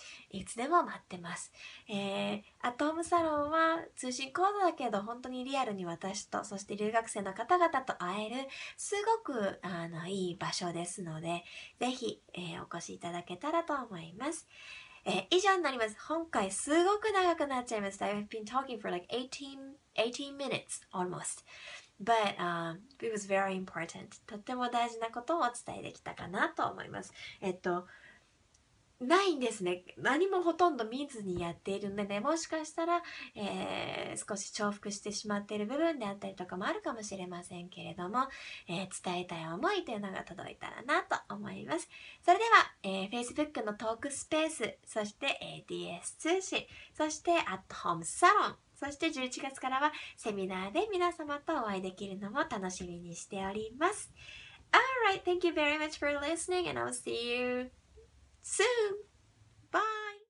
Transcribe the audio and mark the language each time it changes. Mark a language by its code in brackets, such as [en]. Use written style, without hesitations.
[ja] いつでも待ってます。アトムサロンは通信講座だけど、本当にリアルに私とそして留学生の方々と会えるすごくいい場所ですので、ぜひ、お越しいただけたらと思います。以上になります。今回すごく長くなっちゃいました。 [en] I've been talking for like 18 minutes almost. But, it was very important. [ja] とっても大事なことをお伝えできたかなと思います。ないんですね。何もほとんど見ずにやっているので、もしかしたら、少し重複してしまっている部分であったりとかもあるかもしれませんけれども、伝えたい思いというのが届いたらなと思います。それでは、Facebook のトークスペース、そして DS 通信、そしてアットホームサロン、そして11月からはセミナーで皆様とお会いできるのも楽しみにしております。 [en] Alright, thank you very much for listening and I'll see you soon. Bye.